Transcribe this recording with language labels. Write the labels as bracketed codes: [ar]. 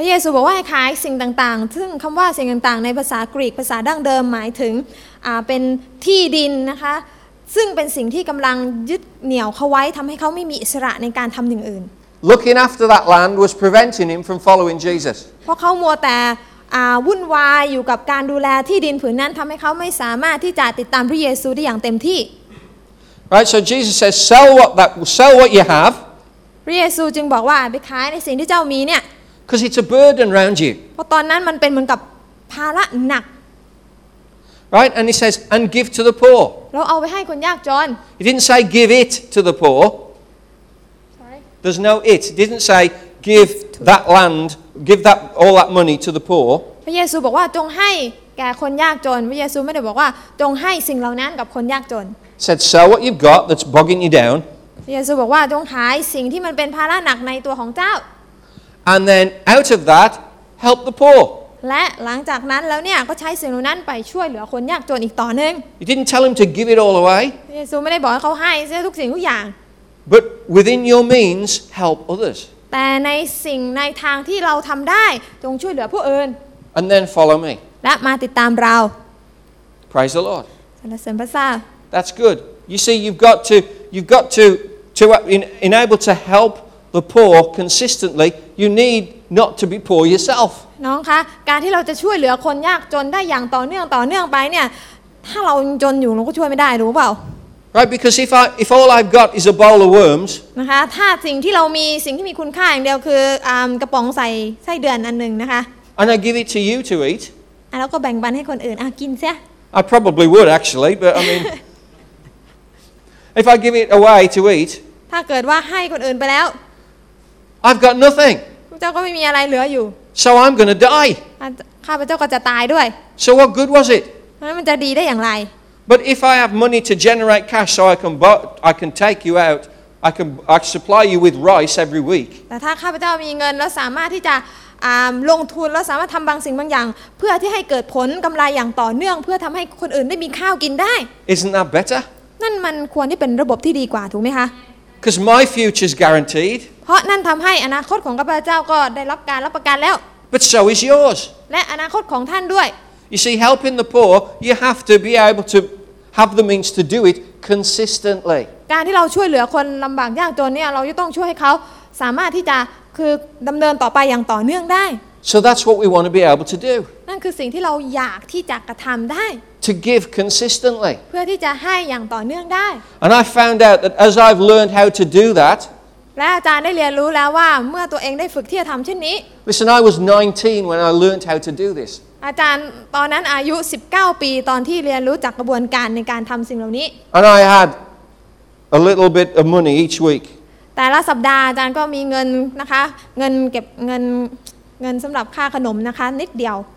[th] พระเยซูบอกว่าให้ขายสิ่งต่างๆซึ่งคำว่าสิ่งต่างๆในภาษากรีกภาษาดั้งเดิมหมายถึงเป็นที่ดินนะคะซึ่งเป็นสิ่งที่กำลังยึดเหนี่ยวเขาไว้ทำให้เขาไม่มีอิสระในการทำอย่างอื่น [en] Looking after that land was preventing him from following Jesus [th] เพราะเขามัวแต่วุ่นวายอยู่กับการดูแลที่ดินผืนนั้นทำให้เขาไม่สามารถที่จะติดตามพระเยซูได้อย่างเต็มที่ [en] Right so Jesus says sell what you have [th] พระเยซูจึงบอกว่าไปขายในสิ่งที่เจ้ามีเนี่ย [en] Because it's a burden around you [th] เพราะตอนนั้นมันเป็นเหมือนกับภาระหนัก [en] Right and he says and give to the poor [th] เราเอาไปให้คนยากจน [en] He didn't say give it to the poor There's no it he didn't say give that landGive that all that money to the poor. [th] พระเยซูบอกว่าจงให้แก่คนยากจนพระเยซูไม่ได้บอกว่าจงให้สิ่งเหล่านั้นกับคนยากจน [en] Said sell what you've got that's bogging you down. [th] พระเยซูบอกว่าจงขายสิ่งที่มันเป็นภาระหนักในตัวของเจ้า [en] And then out of that help the poor. [th] และหลังจากนั้นแล้วเนี่ยก็ใช้สิ่งเหล่านั้นไปช่วยเหลือคนยากจนอีกต่อนึง [en] You didn't tell him to give it all away. [th] พระเยซูไม่ได้บอกให้เขาให้เสียทุกสิ่งทุกอย่าง [en] But within your means help others. [th] แต่ในสิ่งในทางที่เราทำได้จงช่วยเหลือผู้อื่น [en] And then follow me [th] และมาติดตามเรา [en] Praise the Lord [th] สรรเสริญพระเจ้า [en] That's good You see you've got to enable to help the poor consistently you need not to be poor yourself [th] น้องคะการที่เราจะช่วยเหลือคนยากจนได้อย่างต่อเนื่องไปเนี่ยถ้าเราจนอยู่เราก็ช่วยไม่ได้รู้เปล่า [en] Right, because if all I've got is a bowl of worms, [th] นะคะถ้าสิ่งที่เรามีสิ่งที่มีคุณค่าอย่างเดียวคือกระป๋องใส่ไส้เดือนอันหนึ่งนะคะ [en] and I give it to you to eat, [th] แล้วก็แบ่งปันให้คนอื่นกินเสีย [en] I probably would actually, but I mean, if I give it away to eat, [th] ถ้าเกิดว่าให้คนอื่นไปแล้ว [en] I've got nothing. [th] เจ้าก็ไม่มีอะไรเหลืออยู่ [en] so I'm going to die. [th] ข้าพเจ้าก็จะตายด้วย [en] so what good was it? [th] มันจะดีได้อย่างไร [en] But if I have money to generate cash so I can take you out, I supply you with rice every week. [th] แต่ถ้าข้าพเจ้ามีเงินแล้วสามารถที่จะลงทุนแล้วสามารถทำบางสิ่งบางอย่างเพื่อที่ให้เกิดผลกำไรอย่างต่อเนื่องเพื่อทำให้คนอื่นได้มีข้าวกินได้ [en] Isn't that better? [th] นั่นมันควรที่เป็นระบบที่ดีกว่าถูกไหมคะ [en] Because my future is guaranteed. [th] เพราะนั่นทำให้อนาคตของข้าพเจ้าก็ได้รับการรับประกันแล้ว [en] But so is yours. [th] และอนาคตของท่านด้วย [en] You see, helping the poor, you have to be able toHave the means to do it consistently. [th] การที่เราช่วยเหลือคนลำบากยากจนเนี่ยเราจะต้องช่วยให้เขาสามารถที่จะคือดำเนินต่อไปอย่างต่อเนื่องได้ [en] So that's what we want to be able to do. [th] นั่นคือสิ่งที่เราอยากที่จะกระทำได้ [en] To give consistently. [th] เพื่อที่จะให้อย่างต่อเนื่องได้ [en] And I found out that as I've learned how to do that. [th] และอาจารย์ได้เรียนรู้แล้วว่าเมื่อตัวเองได้ฝึกที่จะทำเช่นนี้ [en] Listen, I was 19 when I learned how to do this. [th] อาจารย์ตอนนั้นอายุ19ปีตอนที่เรียนรู้จากกระบวนการในการทำสิ่งเหล่านี้ [en] And I had a little bit of money each week [th] แต่ละสัปดาห์อาจารย์ก็มีเงินนะคะเงินเก็บเงินสำหรับค่าขนมนะคะนิดเดียว